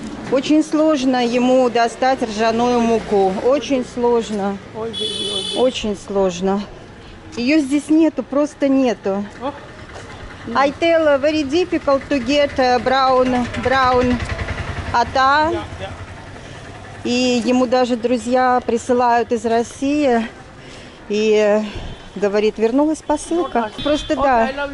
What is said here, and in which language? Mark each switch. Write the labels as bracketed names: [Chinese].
[Russian] Очень сложно ему достать ржаную муку. Очень сложно. Очень сложно. Ее здесь нету, просто нету. [English] I tell very difficult to get brown ata. [Russian] И ему даже друзья присылают из России. И говорит, вернулась посылка. Просто да.